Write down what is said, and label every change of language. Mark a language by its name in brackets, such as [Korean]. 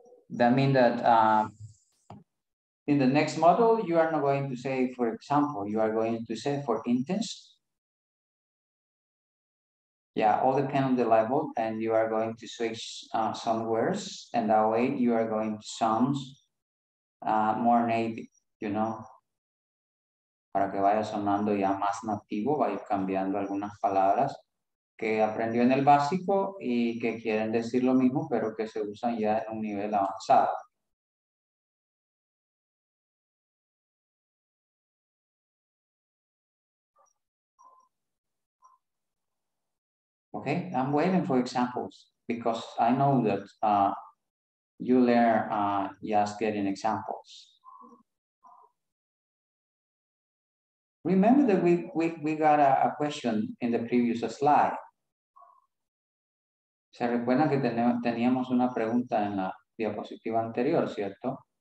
[English] That means that in the next module, you are not going to say for example, you are going to say for intense. Yeah, all depend on the level, and you are going to switch some words, and that way you are going to sound more native, you know. [Spanish] Para que vaya sonando ya más nativo, vaya cambiando algunas palabras que aprendió en el básico y que quieren decir lo mismo, pero que se usan ya en un nivel avanzado. [English] Okay, I'm waiting for examples because I know that you learn just getting examples. Remember that we got a question in the previous slide. [Spanish] Se recuerdan que teníamos una pregunta en la diapositiva anterior, ¿cierto?